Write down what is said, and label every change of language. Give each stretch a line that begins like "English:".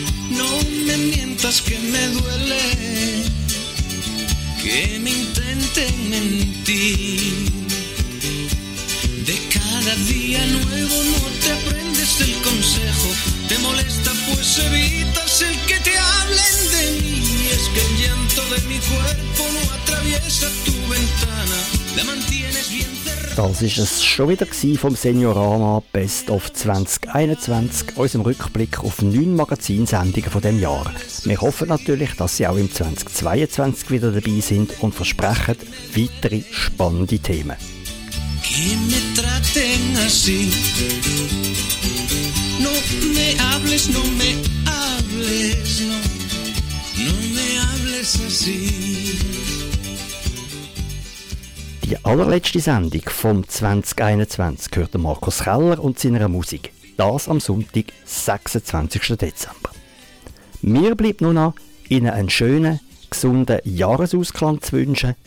Spanish: No me mientas que me duele, que me intenten mentir. De cada día nuevo no te aprendes el consejo. Te molesta pues evitas el que te hablen de mí. Y es que el llanto de mi cuerpo no atraviesa tu ventana. La mantienes bien cerrada.
German: Das ist es schon wieder vom Seniorama Best of 2021, unserem Rückblick auf 9 Magazinsendungen von diesem Jahr. Wir hoffen natürlich, dass Sie auch im 2022 wieder dabei sind und versprechen weitere spannende Themen.
Spanish: Que me traten así. No me hables, no me hables, no, no me hables así.
German: Die allerletzte Sendung vom 2021 hört Markus Keller und seiner Musik. Das am Sonntag, 26. Dezember. Mir bleibt nur noch, Ihnen einen schönen, gesunden Jahresausklang zu wünschen.